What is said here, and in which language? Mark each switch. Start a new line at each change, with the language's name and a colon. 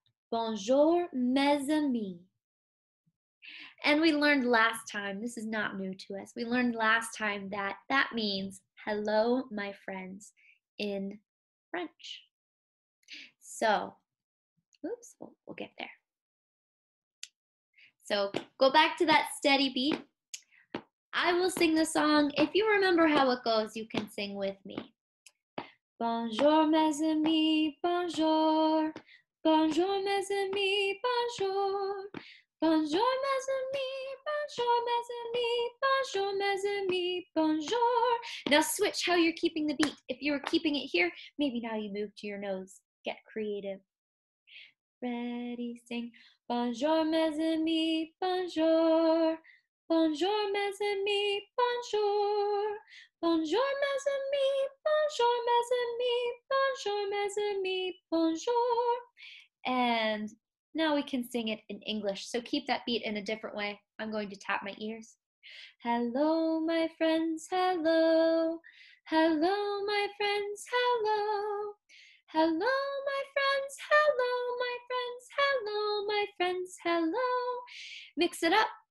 French: Bonjour mes amis.
English: And we learned last time, this is not new to us, we learned last time that that means hello, my friends, in French. So, oops, we'll get there. So, go back to that steady beat. I will sing the song. If you remember how it goes, you can sing with me.
French: Bonjour, mes amis, bonjour. Bonjour, mes amis, bonjour. Bonjour, mes amis, bonjour, mes amis, bonjour, mes amis, bonjour.
English: Now switch how you're keeping the beat. If you were keeping it here, maybe now you move to your nose. Get creative. Ready, sing.
French: Bonjour, mes amis, bonjour. Bonjour, mes amis, bonjour. Bonjour, mes amis, bonjour, mes amis, bonjour, mes amis, bonjour.
English: And now we can sing it in English, so keep that beat in a different way. I'm going to tap my ears. Hello, my friends, hello. Hello, my friends, hello. Hello, my friends, hello, my friends, hello, my friends, hello. Mix it up.